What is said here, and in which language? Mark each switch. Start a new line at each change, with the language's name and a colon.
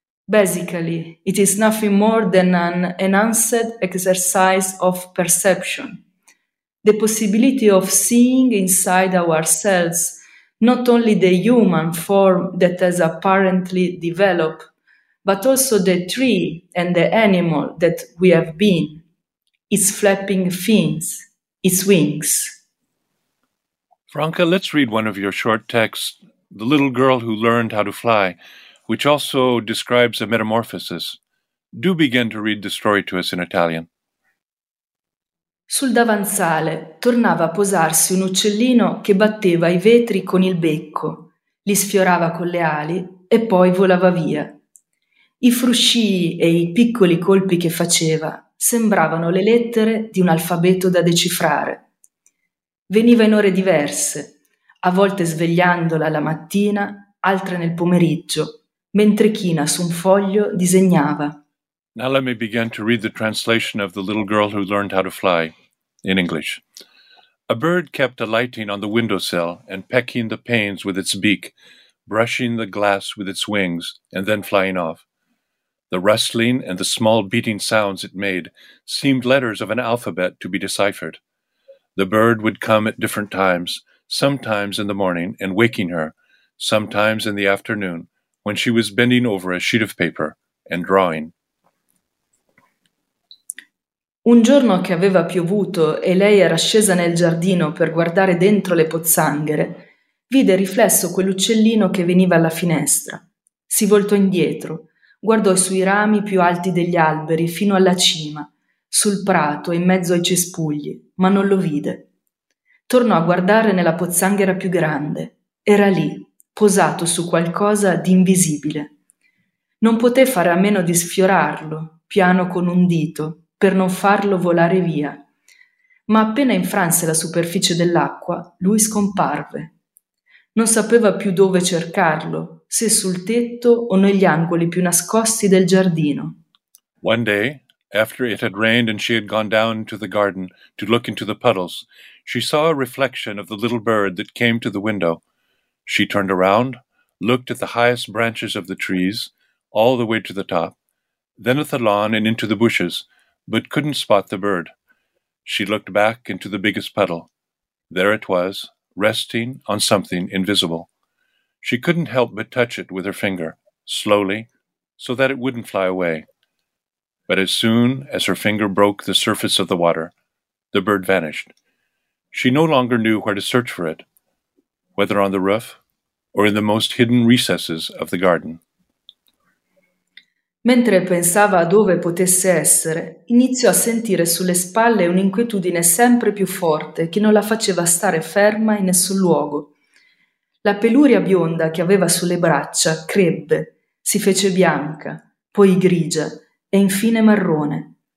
English: Basically, it is nothing more than an enhanced exercise of perception, the possibility of seeing inside ourselves not only the human form that has apparently developed, but also the tree and the animal that we have been, its flapping fins, its wings. Franca, let's read one of your short texts, The Little Girl Who Learned How to Fly, which also describes a metamorphosis. Do begin to read the story to us in Italian.
Italian: Sul davanzale tornava a posarsi un uccellino che batteva i vetri con il becco, li sfiorava con le ali e poi volava via. I fruscii e i piccoli colpi che faceva sembravano le lettere di un alfabeto da decifrare. Veniva in ore diverse, a volte svegliandola la mattina, altre nel pomeriggio, mentre china su un foglio disegnava.
English: Now let me begin to read the translation of The Little Girl Who Learned How to Fly, in English. A bird kept alighting on the windowsill and pecking the panes with its beak, brushing the glass with its wings, and then flying off. The rustling and the small beating sounds it made seemed letters of an alphabet to be deciphered. The bird would come at different times, sometimes in the morning and waking her, sometimes in the afternoon, when she was bending over a sheet of paper and drawing.
Italian: Un giorno che aveva piovuto e lei era scesa nel giardino per guardare dentro le pozzanghere, vide riflesso quell'uccellino che veniva alla finestra. Si voltò indietro, guardò sui rami più alti degli alberi fino alla cima, sul prato in mezzo ai cespugli, ma non lo vide. Tornò a guardare nella pozzanghera più grande. Era lì, posato su qualcosa di invisibile. Non poté fare a meno di sfiorarlo, piano con un dito, per non farlo volare via. Ma appena infranse la superficie dell'acqua, lui scomparve. Non sapeva più dove cercarlo, se sul tetto o negli angoli più nascosti del giardino.
English: One day, after it had rained and she had gone down into the garden to look into the puddles, she saw a reflection of the little bird that came to the window. She turned around, looked at the highest branches of the trees, all the way to the top, then at the lawn and into the bushes, but couldn't spot the bird. She looked back into the biggest puddle. There it was, resting on something invisible. She couldn't help but touch it with her finger, slowly, so that it wouldn't fly away. But as soon as her finger broke the surface of the water, the bird vanished. She no longer knew where to search for it, whether on the roof or in the most hidden recesses of the garden.
Italian: Mentre pensava a dove potesse essere, iniziò a sentire sulle spalle un'inquietudine sempre più forte che non la faceva stare ferma in nessun luogo. La peluria bionda che aveva sulle braccia crebbe, si fece bianca, poi grigia e infine marrone.